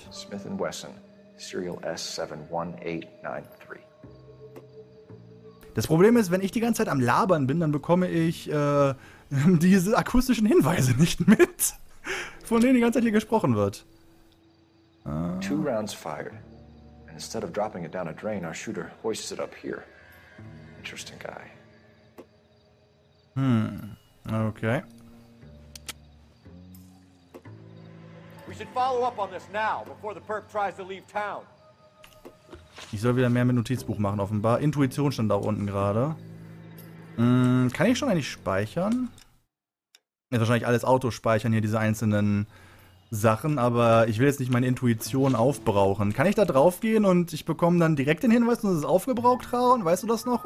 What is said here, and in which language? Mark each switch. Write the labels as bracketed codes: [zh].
[en] Smith & Wesson, Serial S71893. [de] Das Problem ist, wenn ich die ganze Zeit am Labern bin, dann bekomme ich diese akustischen Hinweise nicht mit, von denen die ganze Zeit hier gesprochen wird. [en] Two rounds fired. And instead of dropping it down a drain, our shooter hoists it up here. Interesting guy. Okay. We should follow up on this now, before the perp tries to leave town. [de] Ich soll wieder mehr mit Notizbuch machen, offenbar. Intuition stand da unten gerade. Kann ich schon eigentlich speichern? Ist wahrscheinlich alles Autospeichern hier, diese einzelnen Sachen, aber ich will jetzt nicht meine Intuition aufbrauchen. Kann ich da drauf gehen und ich bekomme dann direkt den Hinweis, dass es aufgebraucht war? Weißt du das noch?